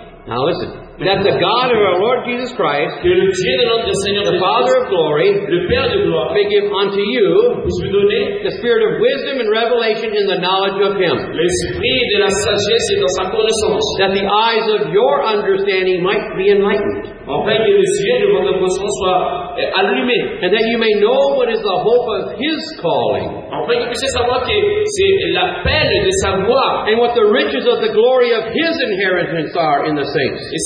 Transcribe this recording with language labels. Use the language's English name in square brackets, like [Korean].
[English] Now listen, that the God of our Lord Jesus Christ, [French] que le Dieu de notre Seigneur, [English] the Father of glory, [French] le Père de gloire, [English] may give unto you [French] vous donner [English] the spirit of wisdom and revelation in the knowledge of him. [French] L'esprit de la sagesse et dans sa connaissance. [English] That the eyes of your understanding might be enlightened. [French] Enfin, que le ciel de votre conscience soit allumé. [English] And that you may know what is the hope of his calling. [French] Enfin, que vous puissiez savoir que c'est l'appel de sa voix. [English] And what the riches of the glory of his inheritance are in the saints.